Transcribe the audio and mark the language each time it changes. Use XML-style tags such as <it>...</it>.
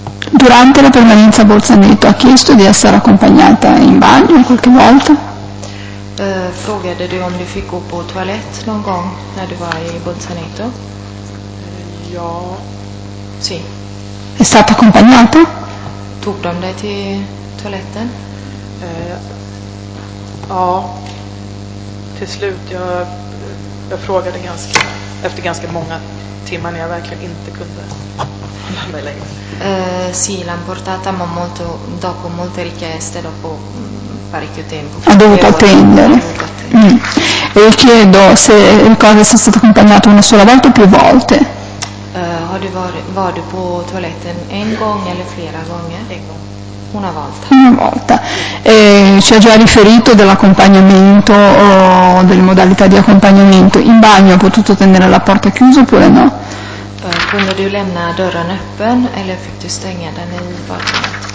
<it>Durante la permanenza a Bolzaneto ha chiesto di essere accompagnata in bagno qualche volta?</it> <sv>Frågade du om du fick gå på toalett någon gång när du var i Bolzaneto? Ja.</sv> <it>Sì. È stata accompagnata?</it> <sv>Tog de dig till toaletten? Ja. Till slut, jag frågade ganska efter ganska många timmar när jag verkligen inte kunde hålla mig längre.</sv> <it>Sì, l'han portata ma molto dopo molte richieste, dopo parecchio tempo. Ha dovuto attendere. E chiedo se ricordi se è stato accompagnato una sola volta o più volte.</it> <sv>Har du varit på toaletten en gång eller flera gånger?</sv> <it>Una volta. Una volta. E ci ha già riferito dell'accompagnamento o delle modalità di accompagnamento. In bagno ha potuto tenere la porta chiusa oppure no?</it> <sv>Quando du lämna dörren öppen eller fick du stänga den i badrummet?</sv>